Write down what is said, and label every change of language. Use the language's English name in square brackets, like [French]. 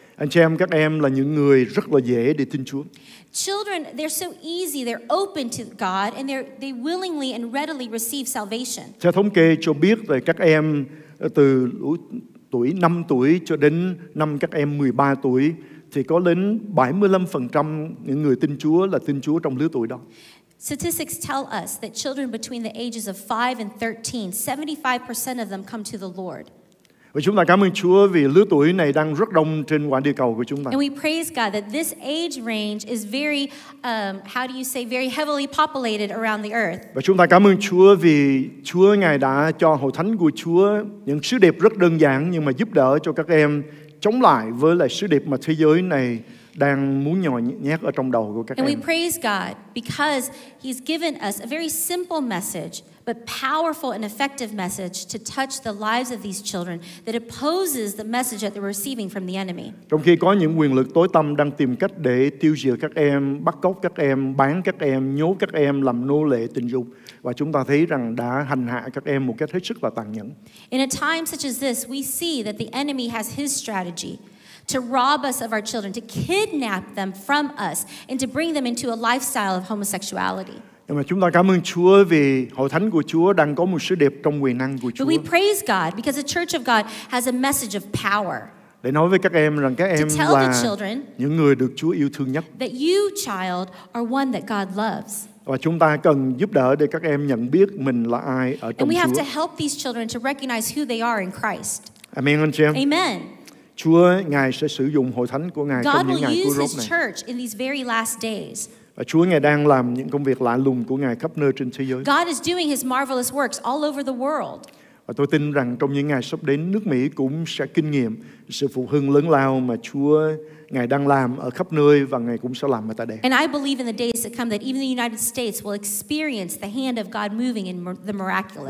[Vietnamese] Anh chị em, các em là những người rất là dễ để tin Chúa. [English] Children, they're so easy, they're open to God and they willingly and readily receive salvation. [Vietnamese] Theo thống kê cho biết về các em từ tuổi 5 tuổi cho đến năm các em 13 tuổi thì có đến 75% những người tin Chúa là tin Chúa trong lứa tuổi đó. [English] Statistics tell us that children between the ages of 5 and 13, 75% of them come to the Lord. [Vietnamese] Và chúng ta cảm ơn Chúa vì lứa tuổi này đang rất đông trên quả địa cầu của chúng ta. [English] And we praise God that this age range is very very heavily populated around the earth. [Vietnamese] Và chúng ta cảm ơn Chúa vì Chúa Ngài đã cho hội thánh của Chúa những sứ điệp rất đơn giản nhưng mà giúp đỡ cho các em chống lại với lại sứ điệp mà thế giới này đang muốn nhồi nhét ở trong đầu của các [English] and [Vietnamese] em. [English] And we praise God because he's given us a very simple message but powerful and effective message to touch the lives of these children that opposes the message that they're receiving from the enemy. [Vietnamese] Trong khi có những quyền lực tối tăm đang tìm cách để tiêu diệt các em, bắt cóc các em, bán các em, nhốt các em làm nô lệ tình dục và chúng ta thấy rằng đã hành hạ các em một cách hết sức là tàn nhẫn. [English] In a time such as this, we see that the enemy has his strategy to rob us of our children, to kidnap them from us and to bring them into a lifestyle of homosexuality. [Vietnamese] Nhưng mà chúng ta cảm ơn Chúa vì hội thánh của Chúa đang có một sứ điệp trong quyền năng của Chúa. [English] But we praise God because the church of God has a message of power. [Vietnamese] Để nói với các em rằng các em là những người được Chúa yêu thương nhất. [English] That you, child, are one that God loves. [Vietnamese] Và chúng ta cần giúp đỡ để các em nhận biết mình là ai ở trong Chúa. [English] And we have to help these children to recognize who they are in Christ. [Vietnamese] Amen, anh chị em. [English] Amen. [Vietnamese] Chúa, Ngài sẽ sử dụng hội thánh của Ngài trong những ngày cuối rốt này. [English] God will use His church in these very last days. [Vietnamese] Và Chúa Ngài đang làm những công việc lạ lùng của Ngài khắp nơi trên thế giới. [English] God is doing His marvelous works all over the world. [Vietnamese] Và tôi tin rằng trong những ngày sắp đến, nước Mỹ cũng sẽ kinh nghiệm sự phục hưng lớn lao mà Chúa Ngài đang làm ở khắp nơi và Ngài cũng sẽ làm ở tại đây. [English] And I believe in the days to come that even the United States will experience the hand of God moving in the miraculous.